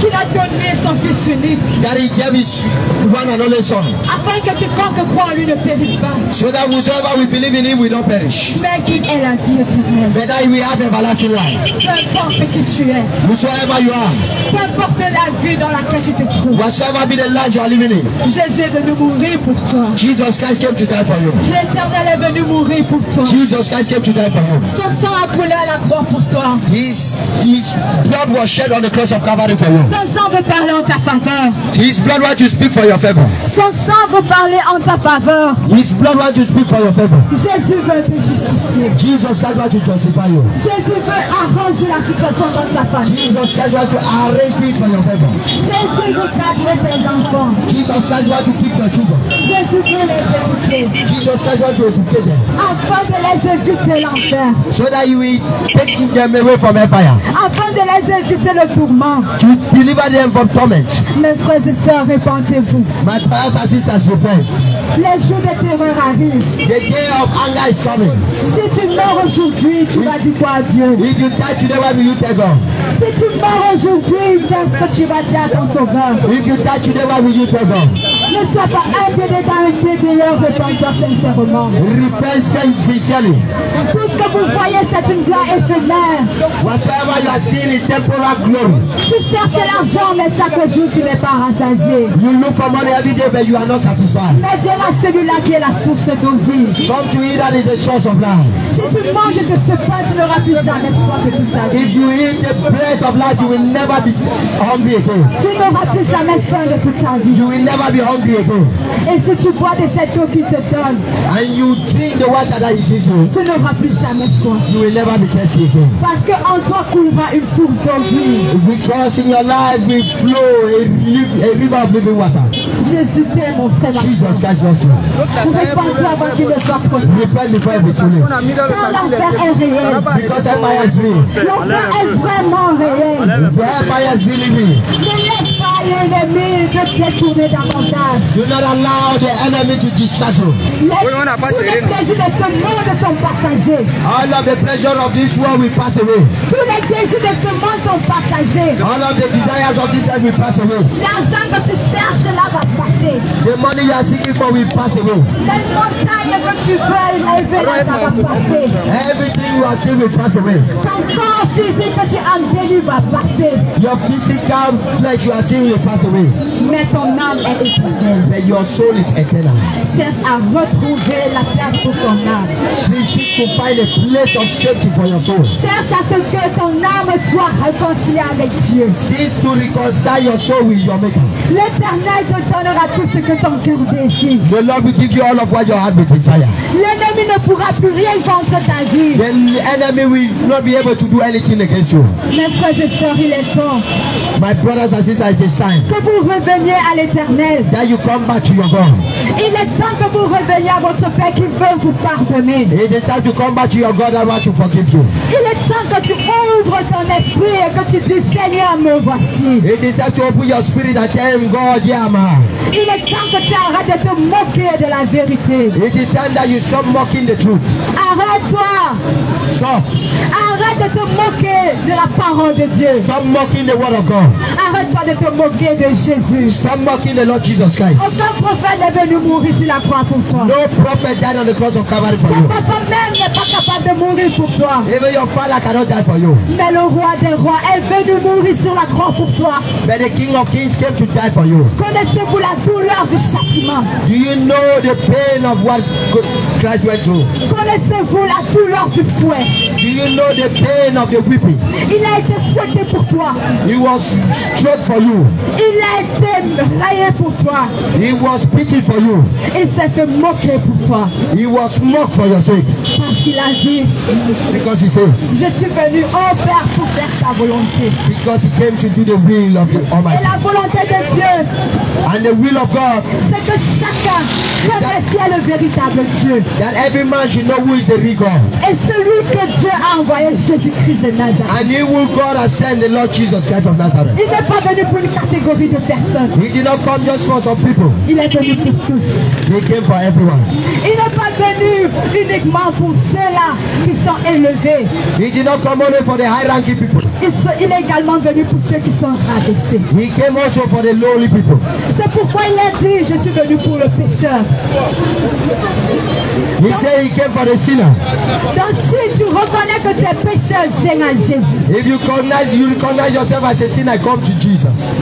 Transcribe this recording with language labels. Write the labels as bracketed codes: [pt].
[fr] Qu'il a donné son Fils unique. [en] That he gave his one and only Son. [fr] Afin que quiconque croit en lui ne périsse pas. [en] So that whosoever we believe in him will not perish. [fr] Mais qu'il ait la vie éternelle. [en] But that we have everlasting life. [fr] Peu importe qui tu es. [en] Whosoever you are. [fr] Peu importe la vie dans laquelle tu te trouves. [en] Whatsoever be the life you are living in. [fr] Jésus est venu mourir pour toi. [en] Jesus Christ came to die for you. [fr] L'Éternel est venu mourir pour toi. [en] Jesus Christ came to die for you. [fr] Son sang a coulé à la croix pour toi. [en] His blood was shed on the cross of Calvary for you. [fr] Son sang veut parler en ta faveur. [en] His blood wants to speak for your favor. [fr] Son sang veut parler en ta faveur. [en] His blood wants to speak for your favor. [fr] Jésus veut te justifier. [en] Jesus Christ wants to justify you. [fr] Jésus veut arranger la situation dans ta famille. [en] Jesus Christ wants to arrange things for your favor. [fr] Jésus veut garder tes enfants. [en] Jesus Christ wants to keep your children. [fr] Jésus veut les éduquer. [en] Jesus Christ wants to educate them. [fr] Afin de les éviter l'enfer. [en] So that you will take them away from fire. [fr] Afin de les éviter le tourment. [en] To deliver them from torment. [fr] Mes frères et sœurs, repentez-vous. [en] My brothers and sisters, repent. [fr] Les jours de terreur arrivent. [en] The day of anger is coming. [fr] Si tu meurs aujourd'hui, tu vas dire quoi à Dieu? [en] If you die today, what will you tell God? [fr] Si tu meurs aujourd'hui, qu'est-ce que tu vas dire à ton sauveur? [en] If you die today, what will you tell God? [fr] Ne sois pas impédé dans un pied d'ailleurs, repens-toi sincèrement. Repens-toi sincèrement. Tout ce que vous voyez, c'est une gloire éphémère. [en] Whatever you are seeing is temporal glory. [fr] Tu cherches l'argent, mais chaque jour, tu n'es pas rassasié. [en] You look for money every day, but you are not satisfied. [fr] Mais Dieu a celui-là qui est la source de vie. [en] Come to eat that is the source of life. [fr] Si tu manges de ce pain, tu n'auras plus jamais soif de toute ta vie. [en] If you eat the bread of life, you will never be hungry again. [fr] Tu n'auras plus jamais faim de toute ta vie. [en] You will never be hungry. [fr] Et si tu bois de cette eau qu'il te donne, [en] and you drink the water that he gives you, [fr] tu n'auras plus jamais soif. [en] You will never be thirsty again. [fr] Parce que en toi coulera une source d'eau vive. [en] Because in your life will flow a river of living water. [fr] Jésus t'aime, mon frère. [en] Jesus Christ loves you. [fr] Vous répandez avant qu'il ne soit trop tard. [en] Repent before it is too late. [fr] Car l'enfer est réel. [en] Because the fire is real. [fr] L'enfer est vraiment réel. [en] The fire is really real. [fr] Ne laisse pas [en] Do not allow the enemy to distract you. [fr] Oui, on a pas tous les plaisirs de ce monde sont passagers. [en] All of the pleasure of this world will pass away. [fr] Tous les plaisirs de ce monde sont passagers. [en] All of the desires of this world will pass away. [fr] L'argent que tu cherches là va passer. [en] The money you are seeking for will pass away. [fr] Les montagnes que tu veux élever là va passer. [en] Everything you are seeking will pass away. [fr] Ton corps physique que tu as vécu va passer. [en] Your physical flesh you are seeking will pass away. [fr] Mais ton âme est éternelle. [en] But your soul is eternal. [fr] Cherche à retrouver la place pour ton âme. [en] Seek to find a place of safety for your soul. [fr] Cherche à ce que ton âme soit réconciliée avec Dieu. [en] Seek to reconcile your soul with your maker. [fr] L'Éternel te donnera tout ce que ton cœur désire. [en] The Lord will give you all of what your heart desires. [fr] L'ennemi ne pourra plus rien contre ta vie. [en] The enemy will not be able to do anything against you. [fr] Mes frères et sœurs, il est fort. [en] My brothers and sisters, it is time. [fr] Que vous reveniez à l'Éternel. [en] You come back to your God. [fr] Il est temps que vous reveniez à votre Père qui veut vous pardonner. [en] It is time to come back to your God and want to forgive you. [fr] Il est temps que tu ouvres ton esprit et que tu dis Seigneur, me voici. [en] It is time to open your spirit and tell him God, yeah, man. [fr] Il est temps que tu arrêtes de te moquer de la vérité. [en] It is time that you stop mocking the truth. [fr] Arrête-toi. [en] Stop. [fr] Arrête de te moquer de la parole de Dieu. [en] Stop mocking the word of God. [fr] Arrête pas de te moquer de Jésus. [en] Stop mocking the Lord Jesus Christ. [fr] Aucun prophète n'est venu mourir sur la croix pour toi. [en] No prophet died on the cross of Calvary for you. [fr] Toi-même n'est pas capable de mourir pour toi. [en] Even your father cannot die for you. [fr] Mais le roi des rois est venu mourir sur la croix pour toi. [en] But the King of Kings came to die for you. [fr] Connaissez-vous la douleur du châtiment? [en] Do you know the pain of what Christ went through? [fr] Connaissez-vous la douleur du fouet? [en] Do you know the pain of the whipping? [fr] Il a été fouetté pour toi. [en] He was struck for you. [fr] Il a été raillé pour toi. [en] He was beaten for you. [fr] Il s'est fait moquer pour toi. [en] He was mocked for your sake. [fr] Parce qu'il a dit. [en] Because he says. [fr] Je suis venu, oh Père, pour faire ta volonté. [en] Because he came to do the will of the Almighty. [fr] Et la volonté de Dieu. [en] And the will of God. [fr] C'est que chacun connaisse le véritable Dieu. [en] That every man should know who is the real God. [fr] Et celui que Dieu a envoyé Jésus-Christ de Nazareth. [en] And he will God have sent the Lord Jesus Christ of Nazareth. [fr] Il n'est pas venu pour une catégorie de personnes. [en] He did not come just for some people. [fr] Il est venu pour tous. [en] He came for everyone. [fr] Il n'est pas venu uniquement pour ceux-là qui sont élevés. [en] He did not come only for the high-ranking people. [fr] Il est également venu pour ceux qui sont rabaissés. [en] He came also for the lowly people. [fr] C'est pourquoi il a dit, je suis venu pour le pécheur. [en] He said he came for the sinner. [fr] Donc si tu reconnais que tu es pécheur, viens à Jésus. [en] If you recognize yourself as a sinner, come to Jesus.